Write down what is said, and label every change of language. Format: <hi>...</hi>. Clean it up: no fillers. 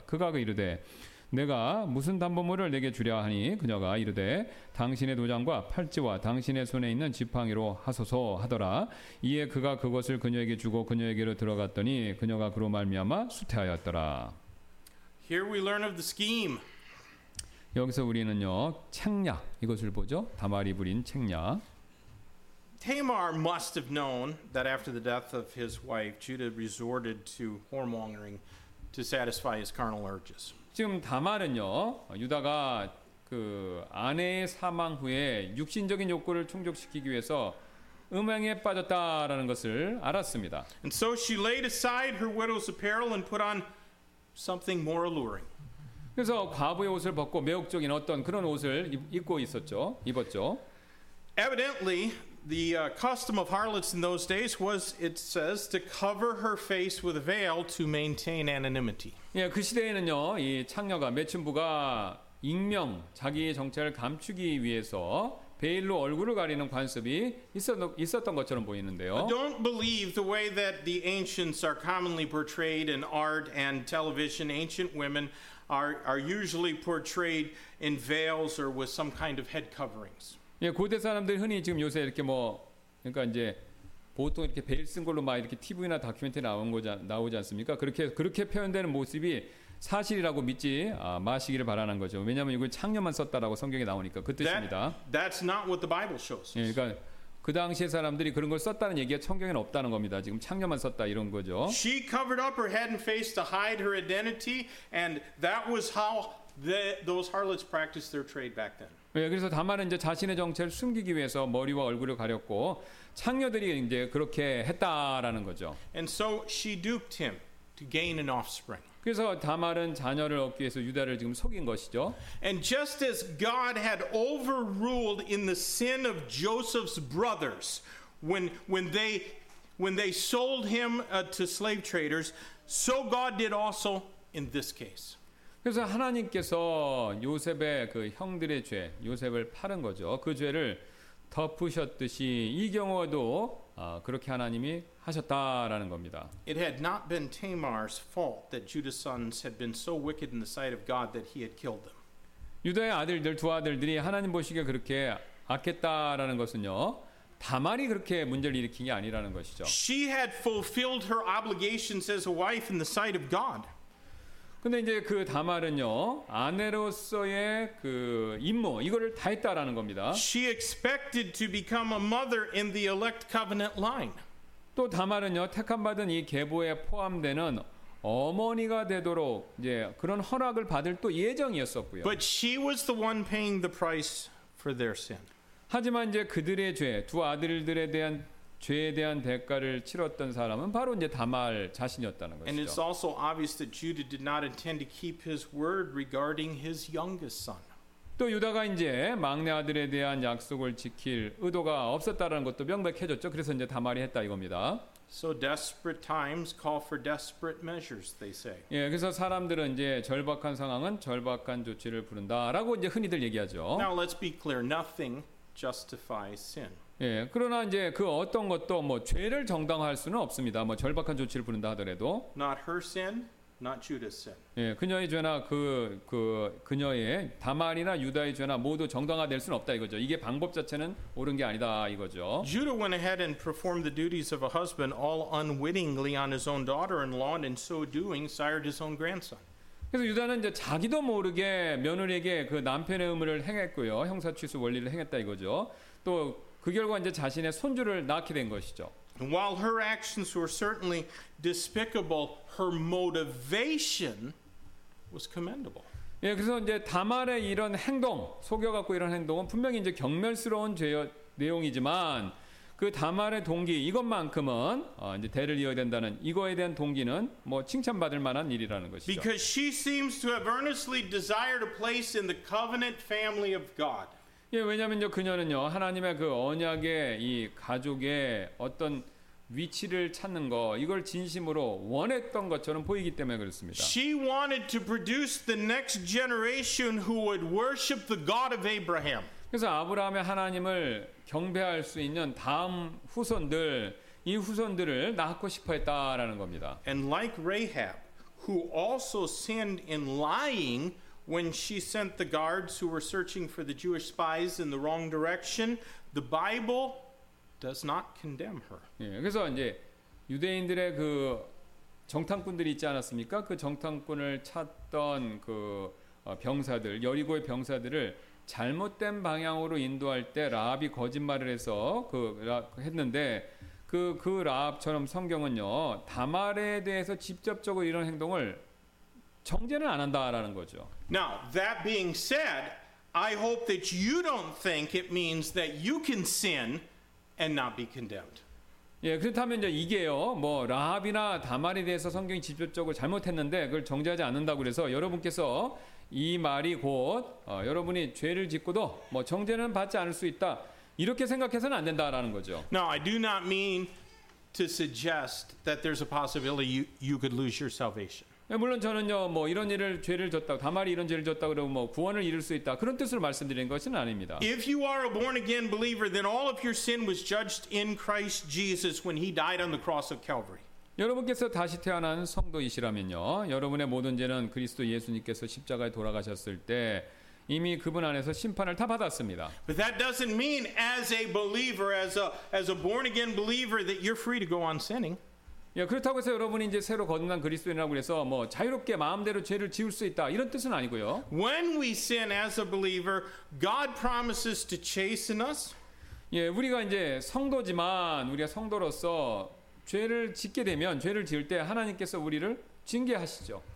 <ko>그가 이르되 내가 무슨 담보물을 내게 주려 하니 그녀가 이르되 당신의 도장과 팔찌와 당신의 손에 있는 지팡이로 하소서 하더라. 이에 그가 그것을 그녀에게 주고 그녀에게로 들어갔더니 그녀가 그로 말미암아 수태하였더라.</ko> <en>Here we learn of the scheme.</en> <ko>여기서 우리는요, 책략 이것을 보죠. 다말이 부린 책략.</ko> <en>Tamar must have known that after the death of his wife, Judah resorted to whoremongering to satisfy his carnal urges.</en> <ko>지금 다말은요, 유다가 그 아내의 사망 후에 육신적인 욕구를 충족시키기 위해서 음행에 빠졌다라는 것을 알았습니다.</ko> <en>And so she laid aside her widow's apparel and put on something more alluring.</en> <ko>그래서 과부의 옷을 벗고 매혹적인 어떤 그런 옷을 입고 있었죠. 입었죠.</ko> <en>Evidently, the custom of harlots in those days was, it says, to cover her face with a veil to maintain anonymity.</en> <ko>예, 그 시대에는요, 이 창녀가 매춘부가 익명, 자기의 정체를 감추기 위해서 베일로 얼굴을 가리는 관습이 있었던 것처럼 보이는데요.</ko> <en>I don't believe the way that the ancients are commonly portrayed in art and television. Ancient women are usually portrayed in veils or with some kind of head coverings.</en> <ko>예, 고대 사람들 흔히 지금 요새 이렇게 뭐 그러니까 이제 보통 이렇게 베일 쓴 걸로 막 이렇게 TV나 다큐멘터리 나오지 않습니까? 그렇게 표현되는 모습이 사실이라고 믿지 마시기를 바라는 거죠. 왜냐하면 이걸 창녀만 썼다라고 성경에 나오니까 그 뜻입니다.</ko> <en>That's not what the Bible shows.</en> <ko>예, 그러니까 그 당시의 사람들이 그런 걸 썼다는 얘기가 성경에는 없다는 겁니다. 지금 창녀만 썼다 이런 거죠.</ko> <en>She covered up her head and face to hide her identity, and that was how those harlots practiced their trade back then.</en> <ko>예, 그래서 다만은 이제 자신의 정체를 숨기기 위해서 머리와 얼굴을 가렸고 창녀들이 이제 그렇게 했다라는 거죠.</ko> <en>And so she duped him to gain an offspring.</en> <ko>그래서 다말은 자녀를 얻기 위해서 유다를 지금 속인 것이죠.</ko> <en>And just as God had overruled in the sin of Joseph's brothers when they sold him to slave traders, so God did also in this case.</en> <ko>그래서 하나님께서 요셉의 그 형들의 죄, 요셉을 팔은 거죠. 그 죄를 덮으셨듯이 이 경우에도 그렇게 하나님이 하셨다라는 겁니다.</ko> <en>It had not been Tamar's fault that Judah's sons had been so wicked in the sight of God that he had killed them.</en> <ko>유다의 아들들 두 아들들이 하나님 보시기에 그렇게 악했다라는 것은요. 다말이 그렇게 문제를 일으킨 게 아니라는 것이죠.</ko> <en>She had fulfilled her obligations as a wife in the sight of God.</en> <ko>근데 이제 그 다말은요. 아내로서의 그 임무 이거를 다 했다라는 겁니다.</ko> <en>She expected to become a mother in the elect covenant line.</en> <ko>또 다말은요 택함 받은 이 계보에 포함되는 어머니가 되도록 이제 그런 허락을 받을 또 예정이었었고요.</ko> <en>But she was the one paying the price for their sin.</en> <ko>하지만 이제 그들의 죄, 두 아들들에 대한 죄에 대한 대가를 치렀던 사람은 바로 이제 다말 자신이었다는 것이죠.</ko> <en>And it's also obvious that Judah did not intend to keep his word regarding his youngest son.</en> <ko>또 유다가 이제 막내 아들에 대한 약속을 지킬 의도가 없었다라는 것도 명백해졌죠. 그래서 이제 다말이 했다 이겁니다.</ko> <en>So desperate times call for desperate measures, they say.</en> <ko>예, 그래서 사람들은 이제 절박한 상황은 절박한 조치를 부른다라고 이제 흔히들 얘기하죠.</ko> <en>Now let's be clear. Nothing justifies sin.</en> <ko>예, 그러나 이제 그 어떤 것도 뭐 죄를 정당화할 수는 없습니다. 뭐 절박한 조치를 부른다 하더라도.</ko> <en>Not her sin. Not Judah's sin.</en> <ko>예, 그녀의 죄나 그 그녀의 다말이나 유다의 죄나 모두 정당화될 수는 없다 이거죠. 이게 방법 자체는 옳은 게 아니다 이거죠.</ko> <en>Judah went ahead and performed the duties of a husband all unwittingly on his own daughter-in-law, and in so doing, sired his own grandson.</en> <ko>그래서 유다는 이제 자기도 모르게 며느리에게 그 남편의 의무를 행했고요, 형사 취소 원리를 행했다 이거죠. 또 그 결과 이제 자신의 손주를 낳게 된 것이죠.</ko> <en>While her actions were certainly despicable, her motivation was commendable.</en> <ko>예, 그래서 이제 다말의 이런 행동, 속여갖고 이런 행동은 분명히 이제 경멸스러운 죄의 내용이지만 그 다말의 동기 이것만큼은 이제 대를 이어야 된다는 이거에 대한 동기는 뭐 칭찬받을 만한 일이라는 것이죠.</ko> <en>Because she seems to have earnestly desired a place in the covenant family of God.</en> <ko>예, 왜냐면요 그녀는요 하나님의 그 언약의 이 가족의 어떤 위치를 찾는 거 이걸 진심으로 원했던 것처럼 보이기 때문에 그렇습니다.</ko> <en>She wanted to produce the next generation who would worship the God of Abraham.</en> <ko>그래서 아브라함의 하나님을 경배할 수 있는 다음 후손들 이 후손들을 낳고 싶어했다라는 겁니다.</ko> <en>And like Rahab, who also sinned in lying. When she sent the guards who were searching for the Jewish spies in the wrong direction, the Bible does not condemn her.</en> <ko>예, 그래서 이제 유대인들의 그 정탐꾼들이 있지 않았습니까? 그 정탐꾼을 찾던 그 병사들, 여리고의 병사들을 잘못된 방향으로 인도할 때 라합이 거짓말을 해서 했는데 그 라합처럼 성경은요 다말에 대해서 직접적으로 이런 행동을 정죄는 안 한다라는 거죠.</ko> <en>Now, that being said, I hope that you don't think it means that you can sin and not be condemned.</en> <ko>예, 그렇다면 이제 이게요. 뭐 라합이나 다말에 대해서 성경이 직접적으로 잘못했는데 그걸 정죄하지 않는다고 그래서 여러분께서 이 말이 곧 여러분이 죄를 짓고도 뭐 정죄는 받지 않을 수 있다. 이렇게 생각해서는 안 된다라는 거죠.</ko> <en>Now I do not mean to suggest that there's a possibility you could lose your salvation.</en> <ko>물론 저는요 뭐 이런 일을 죄를 졌다고 다말이 이런 죄를 졌다고 그러면 뭐 구원을 잃을 수 있다 그런 뜻으로 말씀드리는 것은 아닙니다.</ko> <en>If you are a born again believer, then all of your sin was judged in Christ Jesus when He died on the cross of Calvary.</en> <ko>여러분께서 다시 태어난 성도이시라면요, 여러분의 모든 죄는 그리스도 예수님께서 십자가에 돌아가셨을 때 이미 그분 안에서 심판을 다 받았습니다.</ko> <en>But that doesn't mean as a believer, as a born again believer, that you're free to go on sinning.</en> <ko>예, 그렇다고 해서 여러분이 이제 새로 거듭난 그리스도인이라고 해서 뭐 자유롭게 마음대로 죄를 지을 수 있다 이런 뜻은 아니고요.</ko> <en>When we sin as a believer, God promises to chasten us.</en> <ko>예, 우리가 이제 성도지만 우리가 성도로서 죄를 짓게 되면 죄를 지을 때 하나님께서 우리를 징계하시죠.</ko>